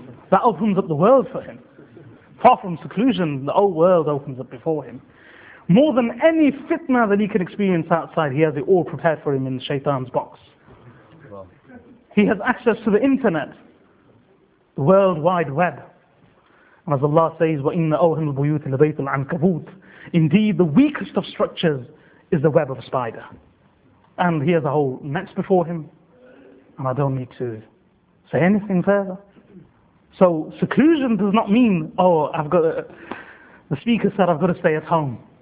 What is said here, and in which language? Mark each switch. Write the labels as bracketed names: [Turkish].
[English] That opens up the world for him. Far from seclusion, the whole world opens up before him. More than any fitna that he can experience outside, he has it all prepared for him in Shaitan's box. He has access to the internet, the world wide web. And as Allah says, [Arabic] وَإِنَّ أَوْهَنُ الْبُيُوتِ لَبَيْتُ الْعَنْكَبُوتِ. [English] Indeed, the weakest of structures is the web of a spider. And he has a whole net before him. And I don't need to say anything further. So seclusion does not mean, the speaker said I've got to stay at home.